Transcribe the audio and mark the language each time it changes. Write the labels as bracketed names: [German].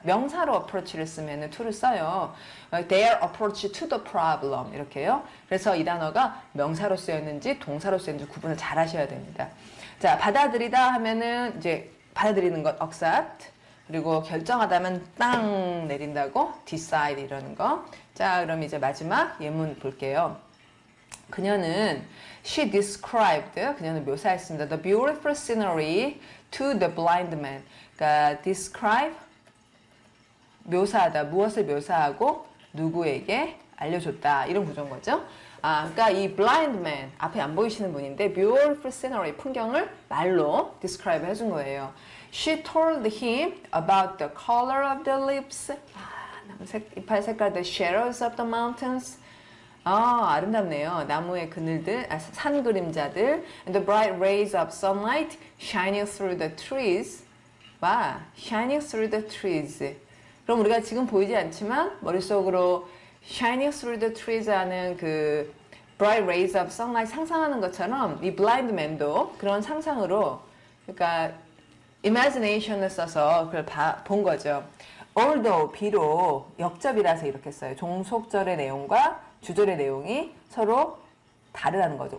[Korean] 명사로 approach를 쓰면 to를 써요. [English] their approach to the problem. [Korean] 이렇게요. 그래서 이 단어가 명사로 쓰였는지 동사로 쓰였는지 구분을 잘 하셔야 됩니다. 자, 받아들이다 하면은 이제 받아들이는 것, accept. 그리고 결정하다면 땅 내린다고 decide 이러는 거. 자, 그럼 이제 마지막 예문 볼게요. 그녀는 [English] she described, [Korean] 그녀는 묘사했습니다. [English] The beautiful scenery to the blind man. [Korean] 그러니까 describe 묘사하다. 무엇을 묘사하고 누구에게 알려줬다. 이런 구조인 거죠. 아, 그러니까 이 blind man 앞에 안 보이시는 분인데 beautiful scenery 풍경을 말로 describe 해준 거예요. [English] She told him about the color of the leaves. [Korean] 남색, 이파리 색깔, [English] the shadows of the mountains. [Korean] 아, 아름답네요. 나무의 그늘들, 아, 산 그림자들. [English] And the bright rays of sunlight shining through the trees. 와, shining through the trees. [Korean] 그럼 우리가 지금 보이지 않지만, 머릿속으로 [English] shining through the trees [Korean] 하는 그 [English] bright rays of sunlight [Korean] 상상하는 것처럼, 이 blind man도 그런 상상으로, 그러니까, imagination을 써서 그걸 본 거죠. although, 비록, 역접이라서 이렇게 써요. 종속절의 내용과 주절의 내용이 서로 다르다는 거죠.